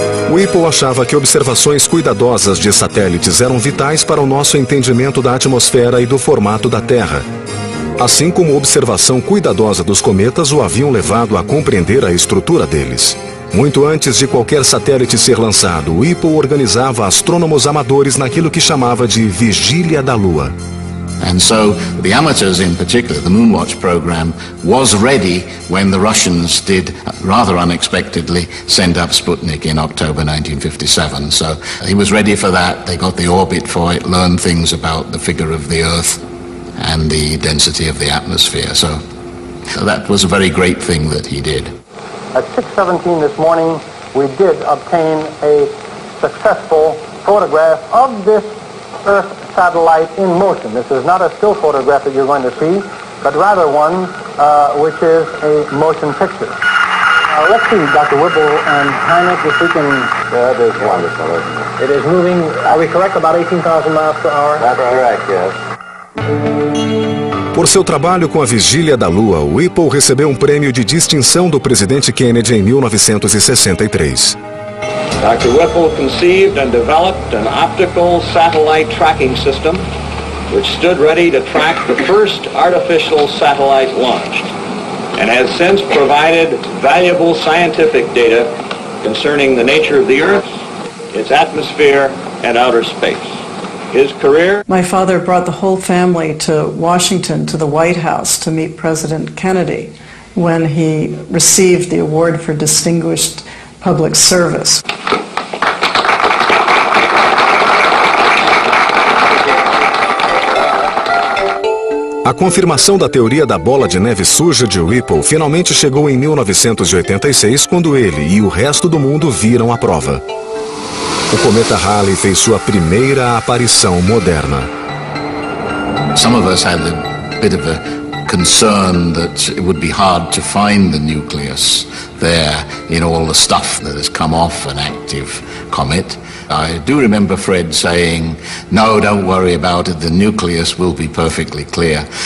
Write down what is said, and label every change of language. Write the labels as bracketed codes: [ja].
[pt] Whipple achava que observações cuidadosas de satélites eram vitais para o nosso entendimento da atmosfera e do formato da Terra. Assim como observação cuidadosa dos cometas o haviam levado a compreender a estrutura deles. Muito antes de qualquer satélite ser lançado, Whipple organizava astrônomos amadores naquilo que chamava de Vigília da Lua. [en] And so the amateurs in particular, the Moonwatch program, was ready when the Russians did rather unexpectedly send up Sputnik in October 1957. So he was ready for that. They got the orbit for it, learned things about the figure of the Earth and the density of the atmosphere. So that was a very great thing that he did. At 6:17 this morning, we did obtain a successful photograph of this Earth satellite in motion. This is not a still photograph that you're going to see, but rather one which is a motion picture. Let's see, Dr. Whipple and Heinrich, if we can... That is wonderful, isn't it? It is moving, are we correct, about 18,000 miles per hour? That's correct, yes. [pt] Por seu trabalho com a Vigília da Lua, Whipple recebeu um prêmio de distinção do presidente Kennedy em 1963. [en] Dr. Whipple conceived and developed an optical satellite tracking system which stood ready to track the first artificial satellite launched and has since provided valuable scientific data concerning the nature of the Earth, its atmosphere, and outer space. His career. My father brought the whole family to Washington, to the White House, to meet President Kennedy when he received the award for distinguished public service. [pt] A confirmação da teoria da bola de neve suja de Whipple finalmente chegou em 1986, quando ele e o resto do mundo viram a prova. O cometa Halley fez sua primeira aparição moderna. [en] Some of us had a bit of a concern that it would be hard to find the nucleus there in all the stuff that has come off an active comet. I do remember Fred saying, no, don't worry about it, the nucleus will be perfectly clear.